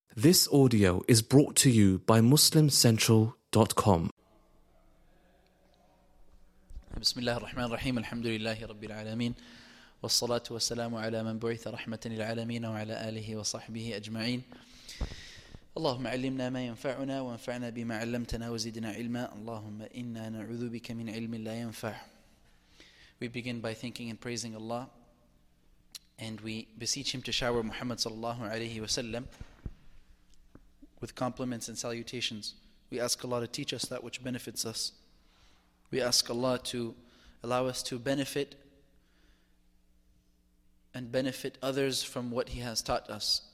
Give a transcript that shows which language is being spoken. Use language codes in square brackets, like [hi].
[en] This audio is brought to you by MuslimCentral.com. [ar] بسم الله الرحمن الرحيم الحمد لله رب العالمين والصلاة والسلام على من بعث رحمة للعالمين وعلى آله وصحبه أجمعين. اللهم علمنا ما ينفعنا وانفعنا بما علمتنا وزدنا علما. اللهم إنا نعوذ بك من علم لا ينفع. [en] We begin by thanking and praising Allah, and we beseech Him to shower Muhammad sallallahu alayhi wa sallam with compliments and salutations. We ask Allah to teach us that which benefits us. We ask Allah to allow us to benefit and benefit others from what He has taught us.